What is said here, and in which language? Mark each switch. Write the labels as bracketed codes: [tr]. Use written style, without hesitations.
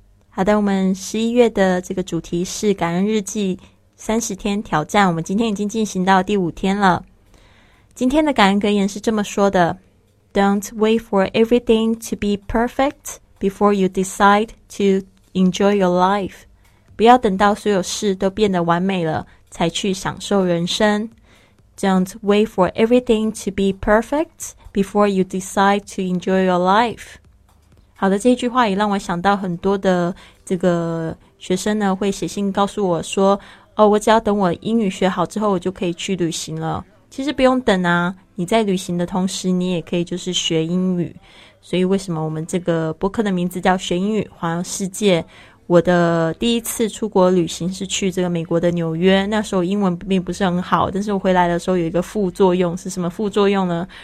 [zh] 好的，我们11月的这个主题是感恩日记30天挑战，我们今天已经进行到第五天了。今天的感恩格言是这么说的， [en] Don't wait for everything to be perfect before you decide to enjoy your life. [zh] 不要等到所有事都变得完美了才去享受人生。 [en] Don't wait for everything to be perfect before you decide to enjoy your life. [zh] 好的，这句话也让我想到很多的这个学生呢会写信告诉我说，哦，我只要等我英语学好之后我就可以去旅行了。其实不用等啊，你在旅行的同时你也可以就是学英语。所以为什么我们这个播客的名字叫学英语环游世界，我的第一次出国旅行是去这个美国的纽约，那时候英文并不是很好，但是我回来的时候有一个副作用，是什么副作用呢？